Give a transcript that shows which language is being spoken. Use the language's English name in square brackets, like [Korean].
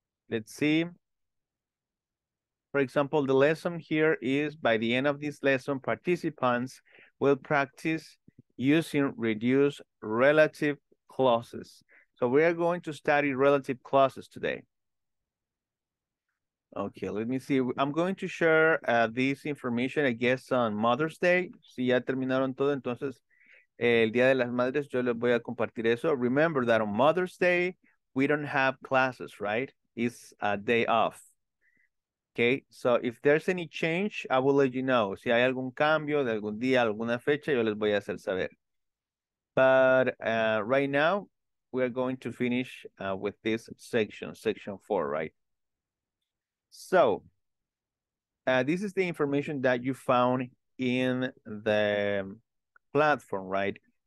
[English] Let's see. For example, the lesson here is by the end of this lesson, participants will practice using reduced relative clauses. So we are going to study relative clauses today. Okay, let me see. I'm going to share this information, I guess, on Mother's Day. [Spanish] Si ya terminaron todo, entonces el Día de las Madres, yo les voy a compartir eso. [English] Remember that on Mother's Day, we don't have classes, right? It's a day off. Okay, so if there's any change, I will let you know. [Spanish] Si hay algún cambio de algún día, alguna fecha, yo les voy a hacer saber. [English] But right now, we are going to finish with this section, section four, right? So this is the information that you found in the platform, right?